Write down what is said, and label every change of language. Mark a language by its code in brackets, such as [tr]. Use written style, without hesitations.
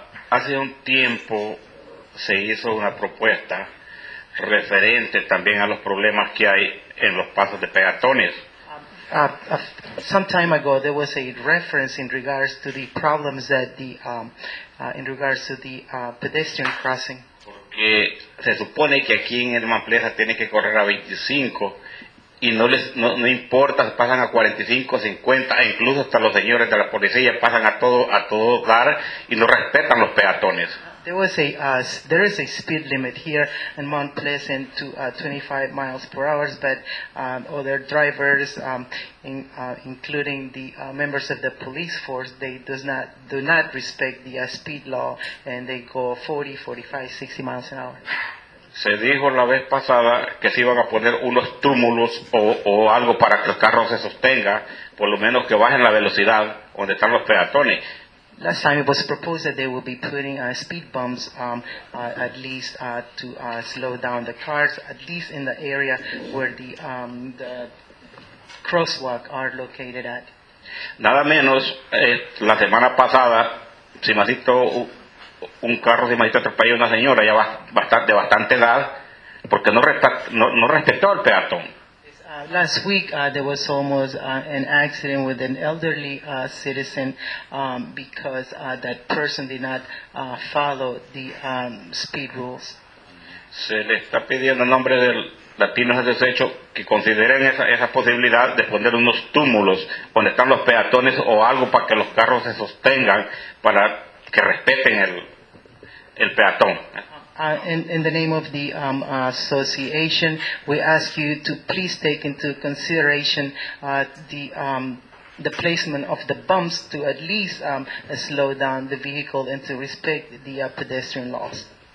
[es] Hace un tiempo se hizo una propuesta referente también a los problemas que hay en los pasos de peatones. [en] Some time ago there was a reference in regards to the problems that the in regards to the pedestrian crossing. [es] Que se supone que aquí en el Mampleza tiene que correr a 25 y no importa, pasan a 45, 50, incluso hasta los señores de la policía pasan a todo dar y no respetan los peatones. [en] There is a speed limit here in Mount Pleasant to 25 miles per hour, but other drivers, including the members of the police force, they do not respect the speed law, and they go 40, 45, 60 miles an hour. [es] Se dijo la vez pasada que se iban a poner unos túmulos o algo para que el carro se sostenga, por lo menos que bajen la velocidad donde están los peatones. [en] Last time it was proposed that they will be putting speed bumps at least to slow down the cars, at least in the area where the crosswalk are located at. [es] Nada menos, la semana pasada, si me asisto un carro, si me asisto atropellar a una señora ya de bastante edad, porque no respetó al peatón. [en] Last week there was almost an accident with an elderly citizen because that person did not follow the speed rules. [es] Se le está pidiendo en nombre de Latinos al Desecho que consideren esa posibilidad de poner unos túmulos donde están los peatones o algo para que los carros se sostengan para que respeten el peatón. [en] In the name of the association, we ask you to please take into consideration the placement of the bumps to at least slow down the vehicle and to respect the pedestrian laws.